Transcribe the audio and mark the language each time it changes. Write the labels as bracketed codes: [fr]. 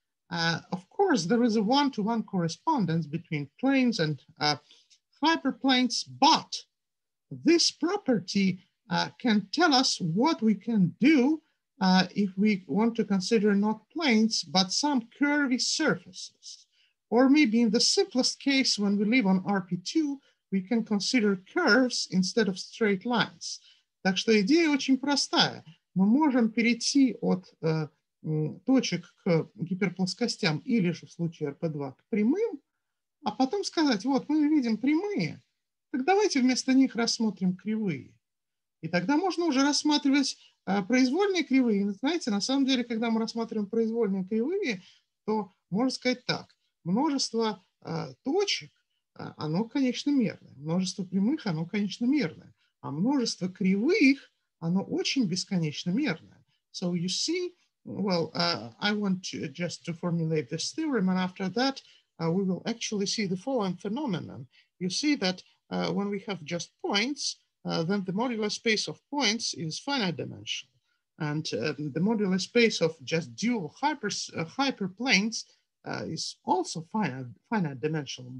[en] Of course, there is a one-to-one correspondence between planes and hyperplanes, but this property can tell us what we can do if we want to consider not planes, but some curvy surfaces. Or maybe in the simplest case, when we live on RP2, we can consider curves instead of straight lines. [ru] Так что идея очень простая. Мы можем перейти от точек к гиперплоскостям или же в случае RP2 к прямым, а потом сказать, вот мы видим прямые, так давайте вместо них рассмотрим кривые. И тогда можно уже рассматривать произвольные кривые. Знаете, на самом деле, когда мы рассматриваем произвольные кривые, то можно сказать так, множество точек, оно конечномерное, множество прямых, оно конечномерное, а множество кривых, оно очень бесконечномерное. [en] So you see, well, I want to just to formulate this theorem, and after that, we will actually see the following phenomenon. You see that when we have just points, then the modular space of points is finite dimensional, and the modular space of just dual hyperplanes is also finite dimensional.